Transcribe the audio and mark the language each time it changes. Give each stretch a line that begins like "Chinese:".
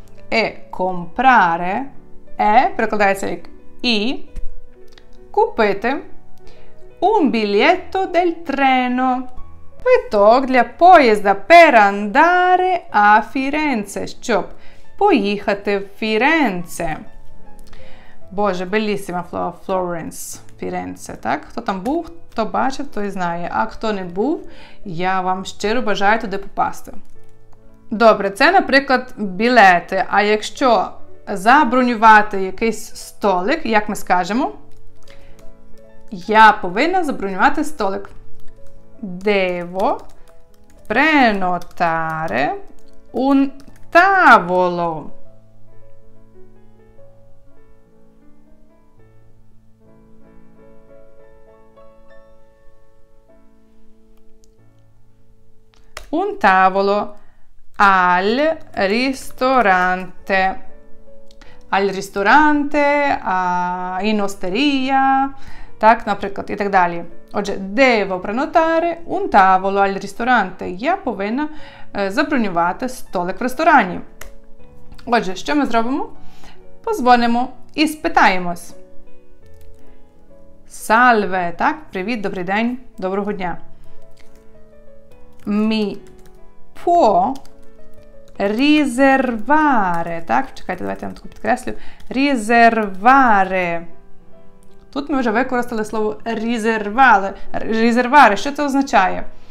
Italian: E comprare, è,
Ukrainian: перекладається як і, купити
Italian: un biglietto del treno,
Ukrainian: квиток для поїзда
Italian: per andare a Firenze,
Ukrainian: щоб поїхати в Фіренце. Боже,
Italian: bellissima
Ukrainian: Florence, Firenze, так? Хто там був, хто бачив, той знає. А хто не був, я вам щиро бажаю туди попасти. Добре, це, наприклад, білети. А якщо забронювати якийсь столик, як ми скажемо? Я повинна забронювати столик.
Italian: Devo prenotare un tavolo. Un tavolo al ristorante. Al ristorante, a in osteria,
Ukrainian: так, наприклад, і так далі. Отже,
Italian: devo prenotare un tavolo al ristorante.
Ukrainian: Я повинна забронювати столик в ресторані. Отже, що ми зробимо? Позвонимо і спитаємось.
Italian: Salve,
Ukrainian: так? Привіт, добрий день, доброго дня.
Italian: Mi può riservare,
Ukrainian: так? Чекайте, давайте я вам таку підкреслю.
Italian: Riservare.
Ukrainian: Тут ми вже використали слово «резервари». Що це означає?